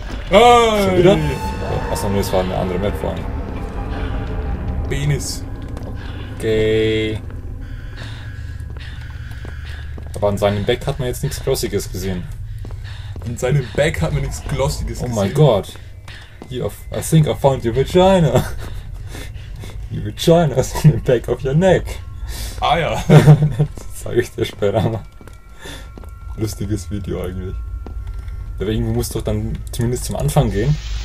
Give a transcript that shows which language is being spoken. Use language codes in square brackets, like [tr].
[de] Hey. Schon wieder? Achso, nee, das war eine andere Map vorhin. Penis. Okay. Aber in seinem Back hat man jetzt nichts Glossiges gesehen. In seinem Back hat man nichts Glossiges gesehen. Oh mein Gott. [en] I think I found your vagina. Your vagina is in the back of your neck. [de] Ah ja. Das zeige ich dir später mal. Lustiges Video eigentlich. Aber irgendwo muss doch dann zumindest zum Anfang gehen.